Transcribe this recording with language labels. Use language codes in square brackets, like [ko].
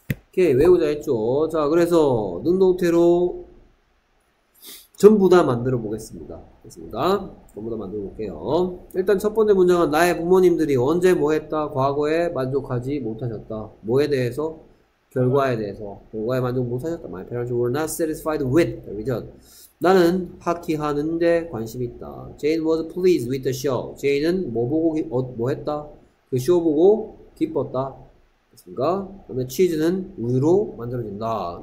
[ko] 오케이 외우자 했죠. 자 그래서 능동태로 전부 다 만들어 보겠습니다. 됐습니다. 전부 다 만들어 볼게요. 일단 첫 번째 문장은 나의 부모님들이 언제 뭐 했다? 과거에 만족하지 못하셨다. 뭐에 대해서? 결과에 대해서. 결과에 만족 못하셨다. [en] My parents were not satisfied with the result. [ko] 나는 하키 하는데 관심 있다. [en] Jane was pleased with the show. [ko] Jane은 뭐 보고, 뭐 했다? 그 쇼 보고 기뻤다. 됐습니까? 그 다음에 치즈는 우유로 만들어진다.